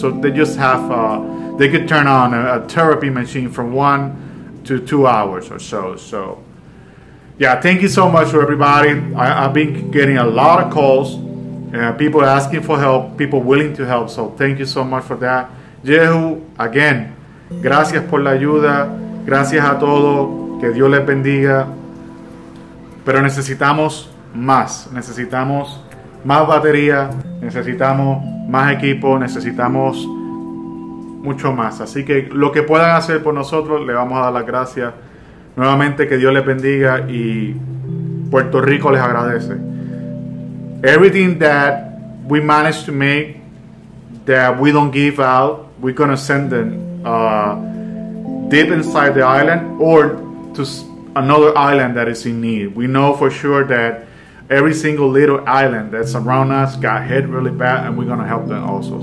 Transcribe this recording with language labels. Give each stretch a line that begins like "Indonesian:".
English: So they just have, they could turn on a therapy machine from 1 to 2 hours or so. So yeah, thank you so much for everybody. I've been getting a lot of calls, people asking for help, people willing to help. So thank you so much for that.
Spanish: Jehu, again, gracias por la ayuda. Gracias a todo. Que Dios les bendiga. Pero necesitamos más. Necesitamos más batería. Necesitamos más equipo. Necesitamos mucho más. Así que lo que puedan hacer por nosotros, le vamos a dar las gracias. Nuevamente, que Dios les bendiga. Y Puerto Rico les agradece.
English: Everything that we managed to make, that we don't give out, we're going to send them deep inside the island or to another island that is in need. We know for sure that every single little island that's around us got hit really bad, and we're going to help them also.